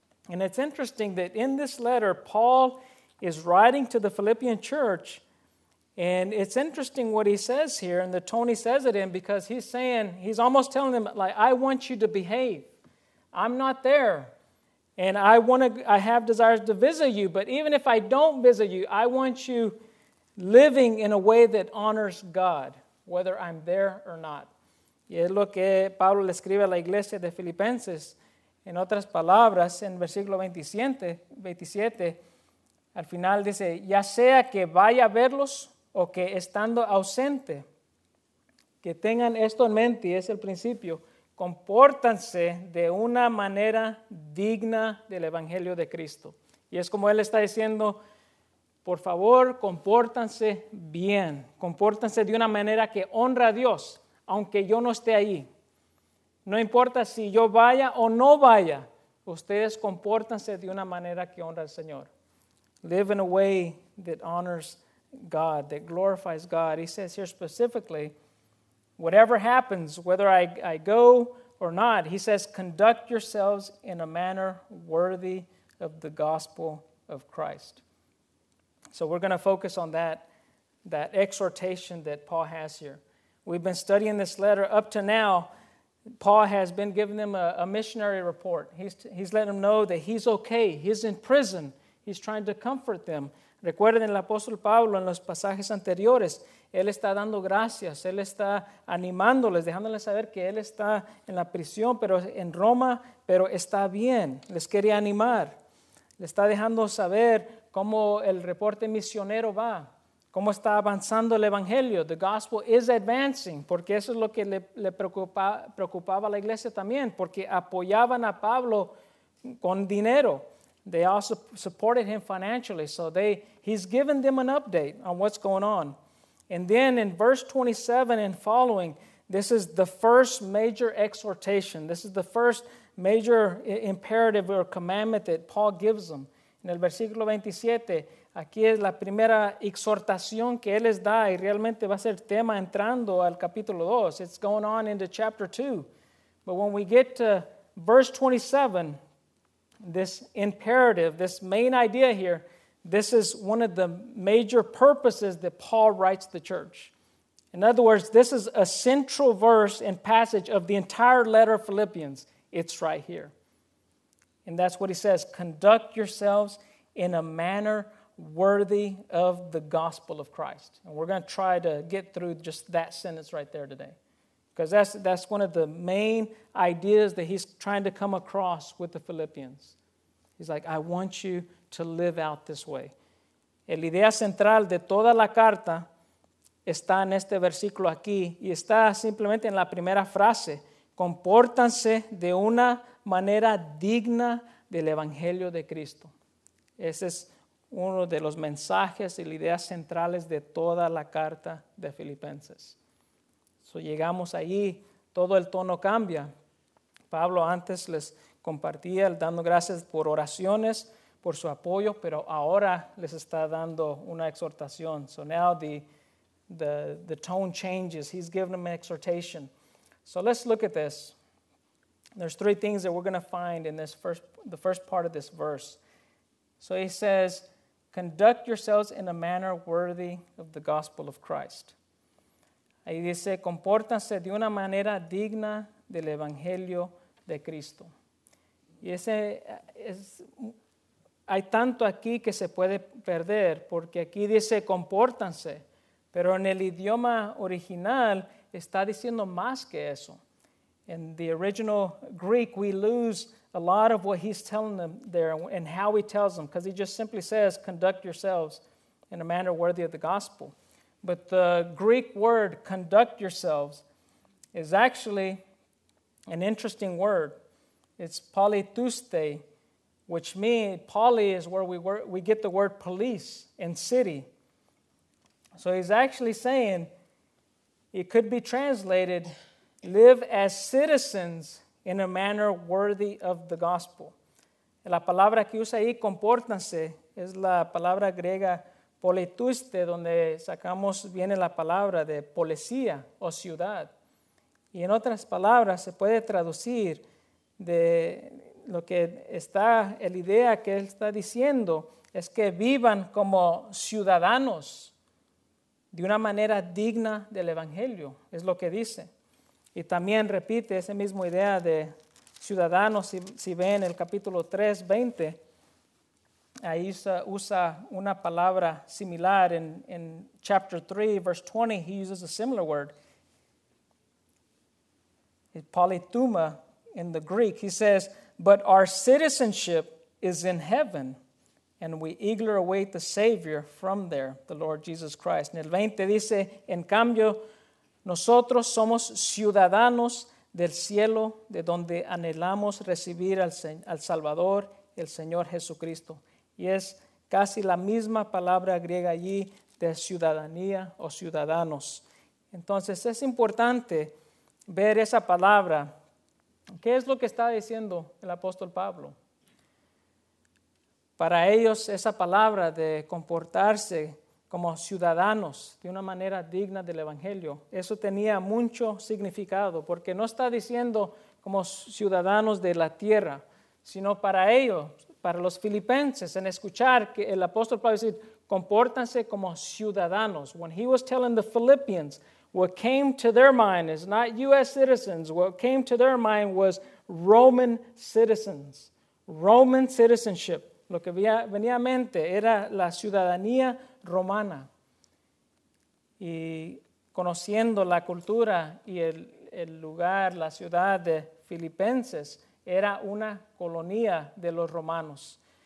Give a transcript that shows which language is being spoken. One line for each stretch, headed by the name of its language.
English: And it's interesting that in this letter, Paul is writing to the Philippian church, and it's interesting what he says here and the tone he says it in, because he's saying, he's almost telling them, like, I want you to behave. I'm not there. And I have desires to visit you, but even if I don't visit you, I want you living in a way that honors God, whether I'm there or not.
Spanish: Y es lo que Pablo le escribe a la iglesia de Filipenses. En otras palabras, en versículo 27, al final dice, ya sea que vaya a verlos o que estando ausente, que tengan esto en mente, y es el principio, compórtanse de una manera digna del Evangelio de Cristo. Y es como él está diciendo, por favor, compórtanse bien, compórtanse de una manera que honra a Dios, aunque yo no esté ahí. No importa si yo vaya o no vaya, ustedes compórtanse de una manera que honra al Señor.
English: Live in a way that honors God, that glorifies God. He says here specifically, whatever happens, whether I go or not, he says, conduct yourselves in a manner worthy of the gospel of Christ. So we're going to focus on that exhortation that Paul has here. We've been studying this letter. Up to now, Paul has been giving them a missionary report. He's letting them know that he's okay. He's in prison. He's trying to comfort them.
Spanish: Recuerden el apóstol Pablo en los pasajes anteriores. Él está dando gracias, él está animándoles, dejándoles saber que él está en la prisión, pero en Roma, pero está bien. Les quería animar. Le está dejando saber cómo el reporte misionero va, cómo está avanzando el evangelio.
English: The gospel is advancing,
Spanish: porque eso es lo que le preocupaba a la iglesia también, porque apoyaban a Pablo con dinero.
English: They also supported him financially, so he's given them an update on what's going on. And then in verse 27 and following, this is the first major exhortation. This is the first major imperative or commandment that Paul gives them. En el versículo 27, aquí es la primera exhortación que él les da, y realmente va a ser tema entrando al capítulo 2. It's going on into chapter 2. But when we get to verse 27, this imperative, this main idea here, this is one of the major purposes that Paul writes the church. In other words, this is a central verse and passage of the entire letter of Philippians. It's right here. And that's what he says, conduct yourselves in a manner worthy of the gospel of Christ. And we're going to try to get through just that sentence right there today. Because that's one of the main ideas that he's trying to come across with the Philippians. He's like, I want you to live out this way.
Spanish: El idea central de toda la carta está en este versículo aquí y está simplemente en la primera frase. Compórtanse de una manera digna del Evangelio de Cristo. Ese es uno de los mensajes y la idea centrales de toda la carta de Filipenses. So llegamos allí, todo el tono cambia. Pablo antes les compartía dando gracias por oraciones, por su apoyo, pero ahora les está dando una exhortación.
English: So now the tone changes. He's giving them an exhortation. So let's look at this. There's three things that we're going to find in the first part of this verse. So he says, conduct yourselves in a manner worthy of the gospel of Christ.
Spanish: Ahí dice, compórtanse de una manera digna del evangelio de Cristo. Y ese es, hay tanto aquí que se puede perder, porque aquí dice compórtanse, pero en el idioma original está diciendo más que eso.
English: In the original Greek, we lose a lot of what he's telling them there and how he tells them, because he just simply says, conduct yourselves in a manner worthy of the gospel. But the Greek word, conduct yourselves, is actually an interesting word. It's polythuste, which means, poly is where we get the word police and city. So he's actually saying, it could be translated, live as citizens in a manner worthy of the gospel.
Spanish: La palabra que usa ahí, compórtanse, es la palabra griega polituste, donde sacamos, viene la palabra de policía o ciudad. Y en otras palabras, se puede traducir, de lo que está, la idea que él está diciendo es que vivan como ciudadanos de una manera digna del evangelio, es lo que dice. Y también repite esa misma idea de ciudadanos, si ven el capítulo 3, 20, ahí usa una palabra similar en
English: chapter 3, verse 20, he uses a similar word. Polytuma in the Greek. He says, but our citizenship is in heaven, and we eagerly await the Savior from there, the Lord Jesus Christ.
Spanish: En el 20 dice, en cambio, nosotros somos ciudadanos del cielo, de donde anhelamos recibir al Salvador, el Señor Jesucristo. Y es casi la misma palabra griega allí de ciudadanía o ciudadanos. Entonces es importante ver esa palabra. ¿Qué es lo que está diciendo el apóstol Pablo? Para ellos esa palabra de comportarse como ciudadanos de una manera digna del evangelio, eso tenía mucho significado, porque no está diciendo como ciudadanos de la tierra, sino para ellos, para los filipenses, en escuchar que el apóstol Pablo dice, compórtanse como ciudadanos.
English: When he was telling the Philippians, what came to their mind is not U.S. citizens. What came to their mind was Roman citizens. Roman citizenship.
Spanish: Lo que venía a mente era la ciudadanía romana. Y conociendo la cultura y el lugar, la ciudad de Filipenses, era una colonia de los romanos.